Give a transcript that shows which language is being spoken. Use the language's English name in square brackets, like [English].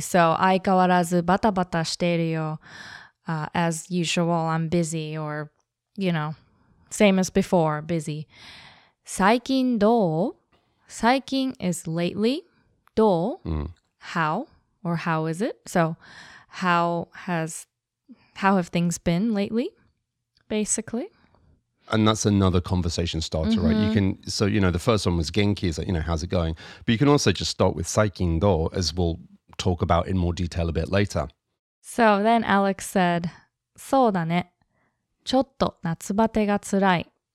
[Japanese] So, 相変わらずバタバタしているよ。 [English] As usual, I'm busy or, you know, same as before, busy. [Japanese] 最近どう? [English] 最近 is lately. どう?How? Or how is it? So, how have things been lately, basically? And that's another conversation starter, mm-hmm. right? You can, so, you know, the first one was genki, is like, you know, how's it going? But you can also just start with 最近どう, as we'll talk about in more detail a bit later. So then Alex said, そうだね。 [Japanese] ちょっと夏バテがつらい。